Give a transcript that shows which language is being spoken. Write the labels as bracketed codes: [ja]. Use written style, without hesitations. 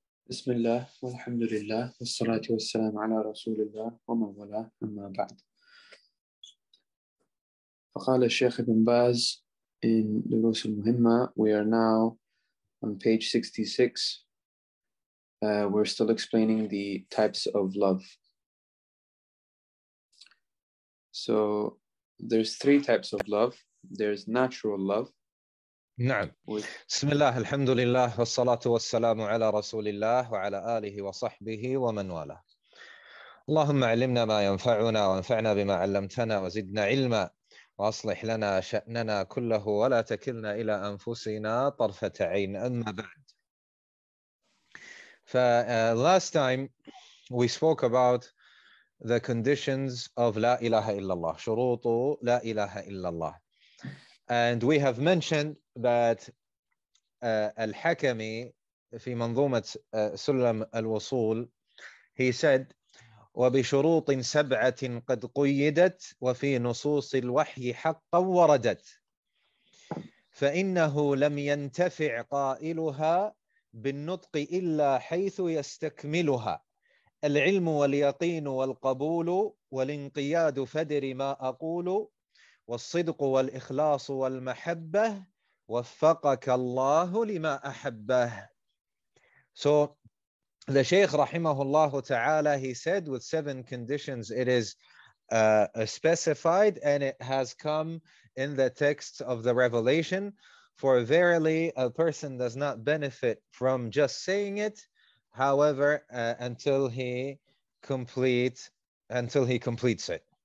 [ar] بسم الله والحمد لله والصلاة والسلام على رسول الله ومن والاه، أما بعد، فقال الشيخ ابن باز in دروس المهمة: [en] We are now on page 66. We're still explaining the types of love. So there's three types of love. There's natural love. [ar] نعم. بسم الله الحمد لله والصلاة والسلام على رسول الله وعلى آله وصحبه ومن والاه. اللهم علمنا ما ينفعنا وانفعنا بما علمتنا وزدنا علما وأصلح لنا شأننا كله ولا تكلنا إلى أنفسنا طرفة عين. أما بعد. [en] Last time we spoke about the conditions of [ar] لا إله إلا الله. شروط لا إله إلا الله. [en] And we have mentioned that Al-Hakami, في منظومة سلم الوصول, he said, [ar] وبشروط سبعة قد قيدت وفي نصوص الوحي حقا وردت فإنه لم ينتفع قائلها بالنطق إلا حيث يستكملها العلم واليقين والقبول والانقياد فدر ما أقول والصدق والإخلاص والمحبة وفقك الله لما أحبه. [en] So the Shaykh rahimahullah ta'ala, he said with seven conditions it is specified, and it has come in the text of the revelation. For verily a person does not benefit from just saying it, however, until he completes it.